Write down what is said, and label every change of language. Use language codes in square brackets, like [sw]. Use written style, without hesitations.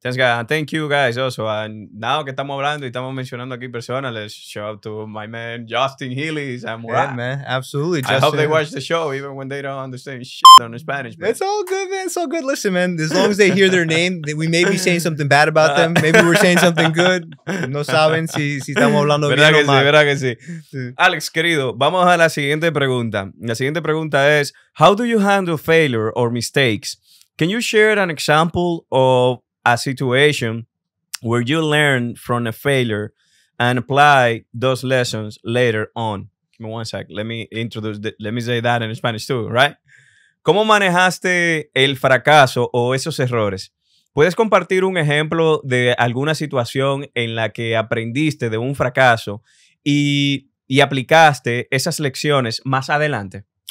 [en] Thanks, guys. And thank you, guys, also. And now [es] que estamos hablando y estamos mencionando aquí personas, [en] let's show up to my man, Justin Healy. Yeah, man. Absolutely, Justin. I hope they watch the show even when they don't understand shit on Spanish. Man. It's all good, man. It's all good. Listen, man, as long as they hear their name, we may be saying something bad about them. Maybe we're saying something good. [es] No saben si estamos hablando bien o mal. Verdad que sí. Alex, querido, vamos a la siguiente pregunta. La siguiente pregunta es, [en] how do you handle failure or mistake? Can you share an example of a situation where you learn from a failure and apply those lessons later on? Give me one sec. Let me say that in Spanish too, right? [es] ¿Cómo manejaste el fracaso o esos errores? ¿Puedes compartir un ejemplo de alguna situación en la que aprendiste de un fracaso y aplicaste esas lecciones más adelante?